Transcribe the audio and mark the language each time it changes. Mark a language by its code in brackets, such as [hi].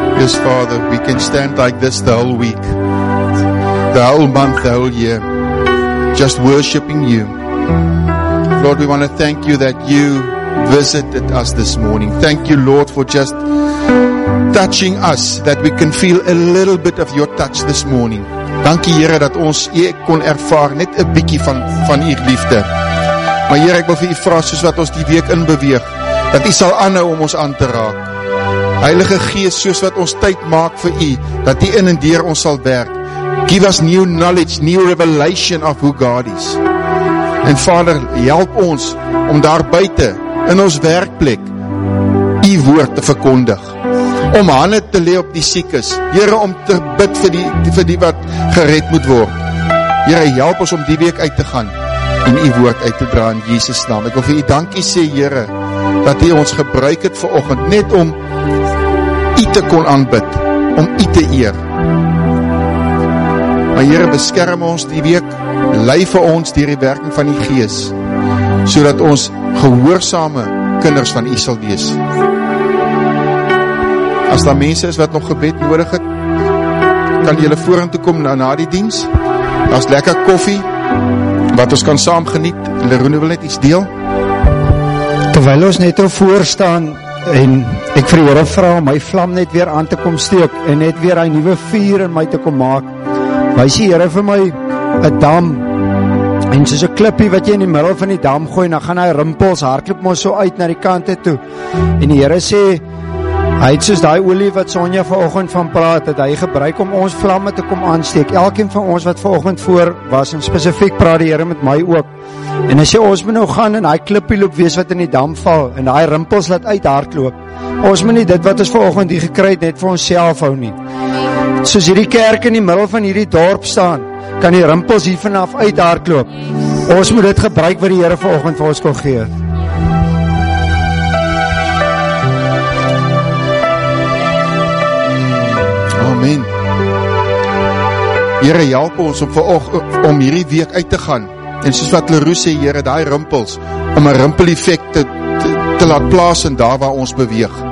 [en] Father, we can stand like this the whole week, the whole month, the whole year, just worshiping you. Lord, we want to thank you that you visited us this morning. Thank you, Lord, for just touching us, that we can feel a little bit of your touch this morning. [af] Dankie, Here, dat ons hier kon ervaar net 'n bietjie van u liefde. Maar Here, ek wil vir u vra, soos wat ons die week in beweeg, dat u sal aanhou om ons aan te raak. Heilige Gees, soos wat ons tyd maak vir u, dat u in en deur ons sal werk. [en] Give us new knowledge, new revelation of who God is. [af] En Vader, help ons om daar buite, in ons werkplek, u woord te verkondig. Om hande te lê op die siekes. Here, om te bid vir die wat gered moet word. Here, help ons om die week uit te gaan en u woord uit te dra in Jesus naam. Ek wil vir u dankie sê, Here, dat u ons gebruik het vanoggend net om u te kon aanbid, om u te eer. Maar Here, beskerm ons die week, lei vir ons deur die werking van die Gees, sodat ons gehoorsame kinders van u sal wees. As daar mense is wat nog gebed nodig het, kan jy hulle vorentoe kom na die diens. Daar's lekker koffie wat ons kan saam geniet. Lerone wil net iets deel. Terwyl ons net voor staan en ek vir die Here vra om my vlam net weer aan te kom steek en net weer hy nuwe vuur in my te kom maak, wys die Here vir my 'n dam. En soos 'n klippie wat jy in die middel van die dam gooi, dan gaan hy rimpels hardloop maar so uit na die kante toe. En die Here sê, hy het soos die olie wat Sonja vanoggend van praat, het hy gebruik om ons vlamme te kom aansteek. Elkeen van ons wat vanoggend voor was, en spesifiek praat die Here met my ook. En hy sê, ons moet nou gaan en hy klippie loop wees wat in die dam val, en hy rimpels laat uit hardloop. Ons moet nie dit wat ons vanoggend hier gekry het net vir onsself hou nie. Soos hierdie kerk in die middel van hierdie dorp staan, kan die rimpels hier vanaf uit hardloop. Ons moet dit gebruik wat die Here vanoggend vir ons kon gee. Amen. Here, help ons om hierdie week uit te gaan. En soos wat Leroux sê, Here, daai rimpels, om 'n rimpeleffek te laat plaas in daar waar ons beweeg.